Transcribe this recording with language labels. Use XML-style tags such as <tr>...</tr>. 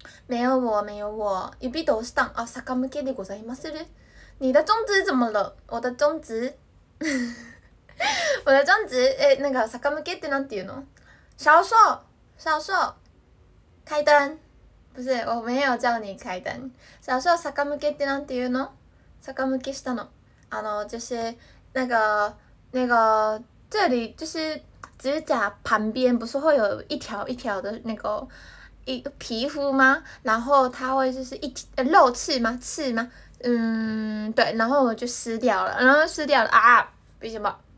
<zh>没有我。一笔都是当啊，</zh> <ja>さかむけでございますね。</ja> <zh>你的中指怎么了？我的中指，我的中指，哎，那个</zh> <ja>さかむけってなんていうの？</ja> <zh>小兽，开灯，不是，我没有叫你开灯。</zh> <ja>小兽さかむけってなんていうの？坂向けしたの。</ja> <zh>就是那个这里就是指甲旁边不是会有一条一条的那个皮肤吗？然后它会就是肉刺吗？对，然后我就撕掉了啊，为什么？</zh>